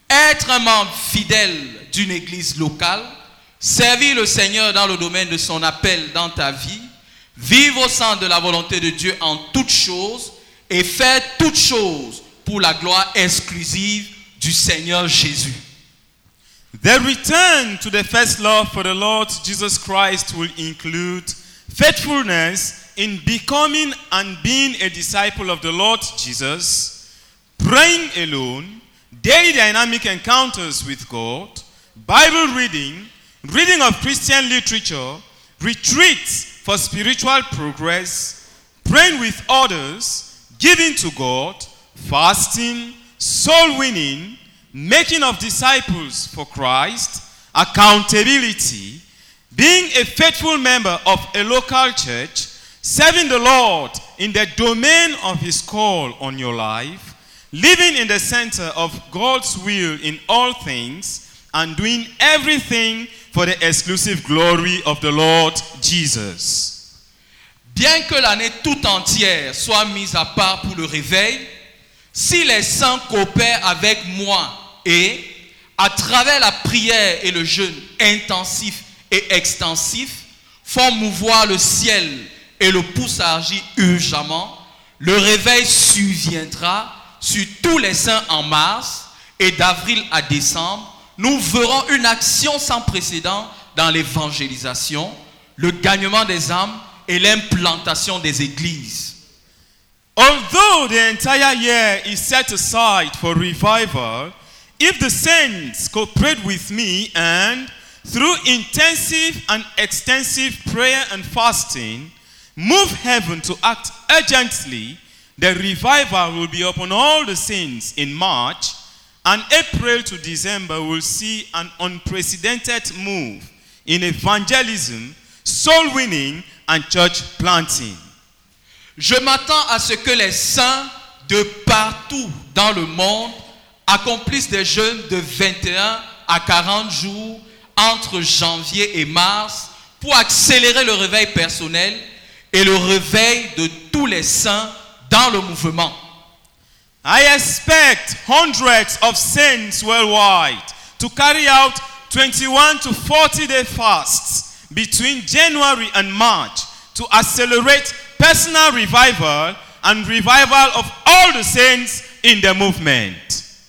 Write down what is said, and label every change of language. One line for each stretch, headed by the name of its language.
French: être un membre fidèle d'une église locale, servir le Seigneur dans le domaine de son appel dans ta vie, vivre au sein de la volonté de Dieu en toutes choses et faire toutes choses pour la gloire exclusive du Seigneur Jésus.
English: The return to the first love for the Lord Jesus Christ will include faithfulness in becoming and being a disciple of the Lord Jesus, praying alone, daily dynamic encounters with God, Bible reading, reading of Christian literature, retreats for spiritual progress, praying with others, giving to God, fasting, soul winning, making of disciples for Christ, accountability, being a faithful member of a local church, serving the Lord in the domain of his call on your life, living in the center of God's will in all things, and doing everything for the exclusive glory of the Lord Jesus.
French: Bien que l'année tout entière soit mise à part pour le réveil, si les saints coopèrent avec moi et, à travers la prière et le jeûne intensif et extensif, font mouvoir le ciel et le poussent à agir urgemment, le réveil surviendra sur tous les saints en mars et d'avril à décembre. Nous verrons une action sans précédent dans l'évangélisation, le gagnement des âmes et l'implantation des églises.
English: Although the entire year is set aside for revival, if the saints cooperate with me and, through intensive and extensive prayer and fasting, move heaven to act urgently, the revival will be upon all the saints in March, and April to December will see an unprecedented move in evangelism, soul winning, and church planting.
French: Je m'attends à ce que les saints de partout dans le monde accomplissent des jeûnes de 21 à 40 jours entre janvier et mars pour accélérer le réveil personnel et le réveil de tous les saints dans le mouvement.
English: I expect hundreds of saints worldwide to carry out 21 to 40 day fasts between January and March to accelerate personal revival and revival of all the saints in the movement.